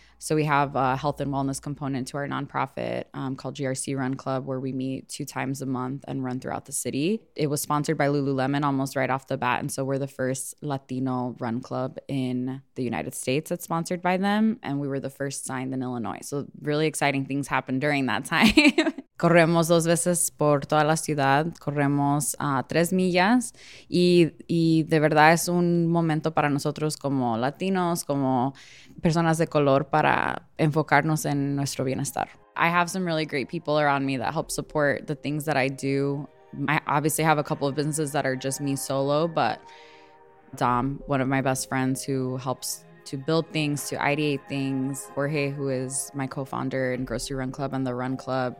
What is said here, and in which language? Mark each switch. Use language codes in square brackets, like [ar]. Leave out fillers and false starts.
[en] So we have a health and wellness component to our nonprofit called GRC Run Club, where we meet 2 times a month and run throughout the city. It was sponsored by Lululemon almost right off the bat. And so we're the first Latino run club in the United States that's sponsored by them. And we were the first signed in Illinois. So really exciting things happened during that time. [es] Corremos dos veces por toda la ciudad. Corremos 3 millas. Y de verdad es un momento para nosotros como Latinos, como personas de color, para enfocarnos en nuestro bienestar. [en] I have some really great people around me that help support the things that I do. I obviously have a couple of businesses that are just me solo, but Dom, one of my best friends who helps to build things, to ideate things. Jorge, who is my co-founder in Grocery Run Club and the Run Club.